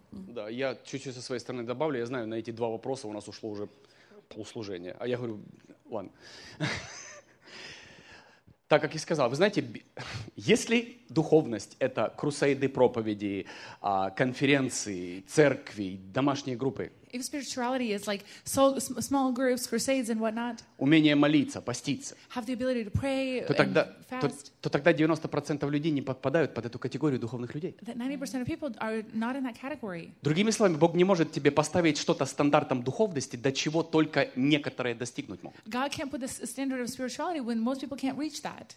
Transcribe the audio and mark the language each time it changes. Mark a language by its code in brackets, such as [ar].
[ru] Да, я чуть-чуть со своей стороны добавлю. Я знаю, на эти два вопроса у нас ушло уже полслужения. А я говорю, ладно. Так, как я сказал, вы знаете, если духовность — это крусейды, проповеди, конференции, церкви, домашние группы, [en] if spirituality is like small groups, crusades and whatnot, [ru] умение молиться, поститься, [en] have the ability to pray and fast, [ru] то тогда 90% людей не подпадают под эту категорию духовных людей. [en] That 90% of people are not in that category. [ru] Другими словами, Бог не может тебе поставить что-то стандартом духовности, до чего только некоторые достигнуть могут. [en] God can't put the standard of spirituality when most people can't reach that.